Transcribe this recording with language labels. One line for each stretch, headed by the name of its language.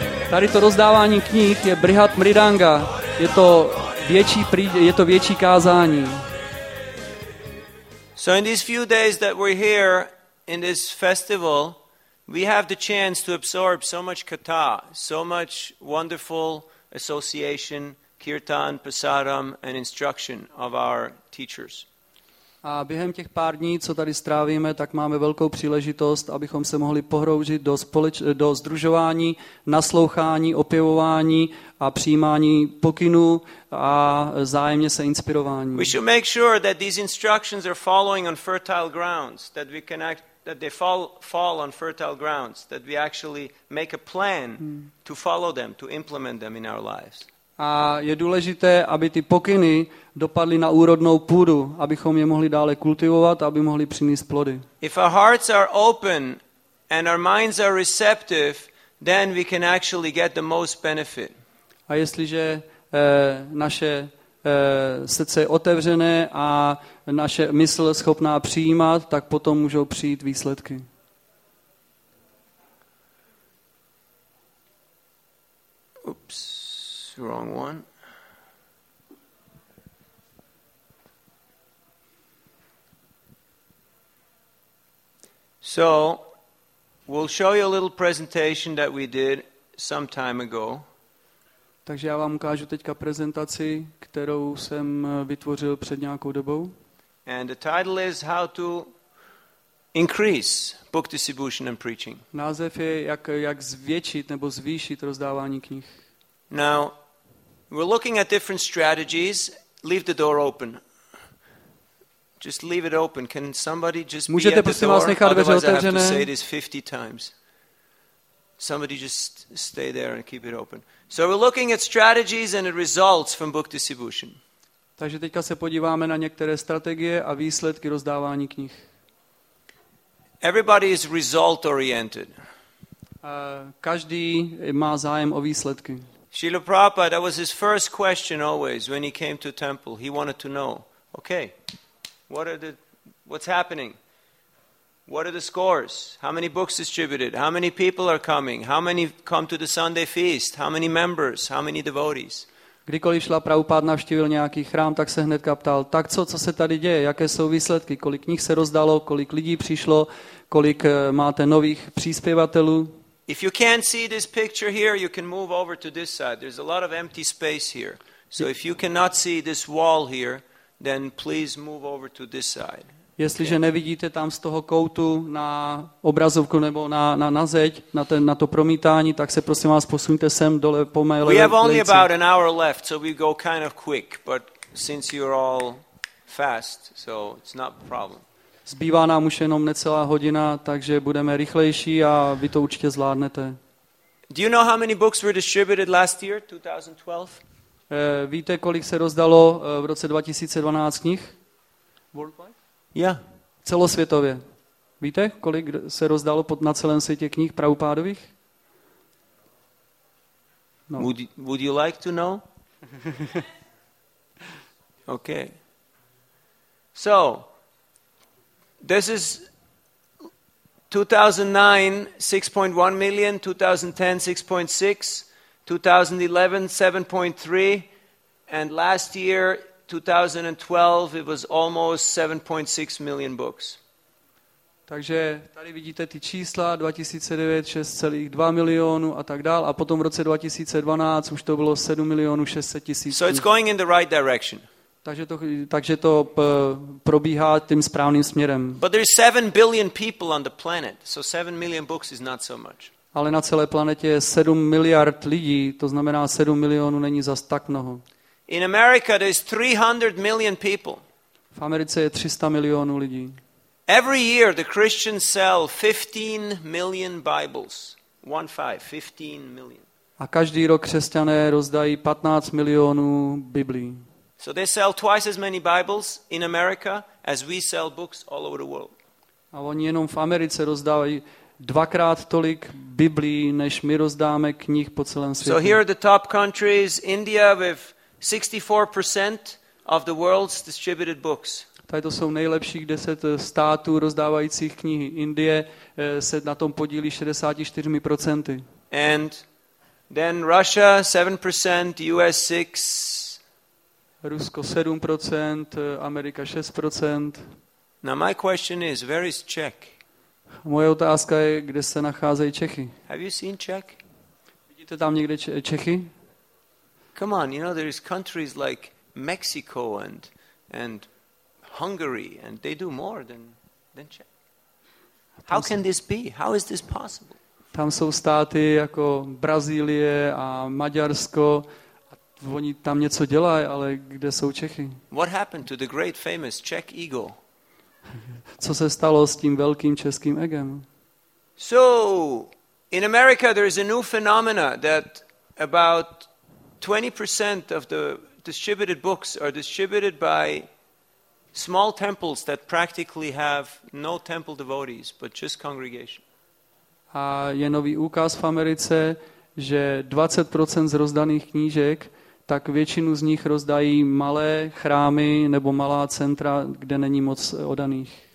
Czech: Tady to rozdávání knih je Brihat Mridanga. Je to větší kázání.
English: So in these few days that we're here in this festival, we have the chance to absorb so much katha, so much wonderful association, kirtan, prasadam and instruction of our teachers.
Czech: A během těch pár dní, co tady strávíme, tak máme velkou příležitost, abychom se mohli pohroužit do sdružování, naslouchání, opěvování a přijímání pokynů a zájemně se inspirování.
English: We should make sure that these instructions are following on fertile grounds, that we can act, that they fall on fertile grounds, that we actually make a plan to follow them, to implement them in our lives.
Czech: A je důležité, aby ty pokyny dopadly na úrodnou půdu, abychom je mohli dále kultivovat, aby mohli přinést plody.
English: If our hearts are open and our minds are receptive, then we can actually get the most benefit.
Czech: A jestliže naše srdce je otevřené a naše mysl schopná přijímat, tak potom můžou přijít výsledky.
English: Oops. Wrong one. So, we'll show you a little presentation that we did some time ago.
Czech: Takže já vám ukážu teďka prezentaci, kterou jsem vytvořil před nějakou dobou.
English: And the title is How to Increase Book Distribution and Preaching.
Czech: Název je jak zvětšit nebo zvýšit rozdávání knih.
English: Now, we're looking at different strategies. Leave the door open. Just leave it open. Can somebody just
Czech: Můžete
English: be at the door?
Czech: Otevřené.
English: Otherwise I have to say this 50 times. Somebody just stay there and keep it open. So we're looking at strategies and results from book distribution.
Czech: Takže teďka se podíváme na některé strategie a výsledky rozdávání knih.
English: Everybody is result oriented.
Czech: Každý má zájem o výsledky.
English: Srila Prabhupada, that was his first question always when he came to a temple. He wanted to know, okay, what's happening? What are the scores? How many books distributed? How many people are coming? How many come to the Sunday feast? How many members? How many devotees?
Czech: Kdykoliv šla Prabhupada navštívil nějaký chrám, tak se hnedka ptal, tak co se tady děje? Jaké jsou výsledky? Kolik knih se rozdalo? Kolik lidí přišlo? Kolik máte nových přispěvatelů?
English: If you can't see this picture here, you can move over to this side. There's a lot of empty space here. So if you cannot see this wall here, then please move over to this side.
Czech: Jestliže nevidíte tam z toho koutu na obrazovku nebo na zeď, na to promítání, tak se prosím vás posuňte sem dole po mé levé.
English: We have only about an hour left, so we go kind of quick, but since you're all fast, so it's not a problem.
Czech: Zbývá nám už jenom necelá hodina, takže budeme rychlejší a vy to určitě zvládnete.
English: Do you know how many books were distributed last year, 2012?
Czech: Víte, kolik se rozdalo v roce 2012 knih?
English: Worldwide? Ja.
Czech: Celosvětově. Víte, kolik se rozdalo pod na celém světě knih Prabhupádových?
English: No. Would you like to know? Okay. So, this is 2009, 6.1 million, 2010, 6.6, 2011, 7.3, and last year, 2012, it was almost 7.6 million books.
Czech: Takže tady vidíte ty čísla, 2009, 6,2 milionů a tak dál, a potom v roce 2012 už to bylo 7 milionů 600 tisíc.
English: So it's going in the right direction.
Czech: Takže to probíhá tím správným směrem.
English: But there's 7 billion people on the planet, so 7 million books is not so much.
Czech: Ale na celé planetě je 7 miliard lidí, to znamená 7 milionů není zas tak mnoho.
English: In America there's 300 million people.
Czech: V Americe je 300 milionů lidí.
English: Every year the Christians sell 15 million Bibles. 1/5, 15 million.
Czech: A každý rok křesťané rozdají 15 milionů Biblí.
English: So they sell twice as many Bibles in America as we sell books all over the world.
Czech: A oni jenom v Americe rozdávají dvakrát tolik Biblií, než my rozdáme knih po celém světě.
English: So here are the top countries, India with 64% of the world's distributed books.
Czech: Tady to jsou nejlepších 10 států rozdávajících knihy. Indie se na tom podílí 64%.
English: And then Russia 7%, US 6%.
Czech: Rusko 7%, Amerika 6%.
English: Now my question is, where is Czech?
Czech: Moje otázka je, kde se nacházejí Čechy?
English: Have you seen Czech?
Czech: Vidíte tam někde Čechy?
English: Come on, you know there is countries like Mexico and Hungary and they do more than Czech. How can this be? How is this possible?
Czech: Tam jsou státy jako Brazílie a Maďarsko. Oni tam něco dělají, ale kde jsou Čechy?
English: What happened to the great famous Czech ego?
Czech: Co se stalo s tím velkým českým egem?
English: So, in America there is a new phenomena that about 20% of the distributed books are distributed by small temples that practically have no temple devotees, but just congregation.
Czech: A je nový úkaz v Americe, že 20% z rozdaných knížek tak většinu z nich rozdají malé chrámy nebo malá centra, kde není moc odaných.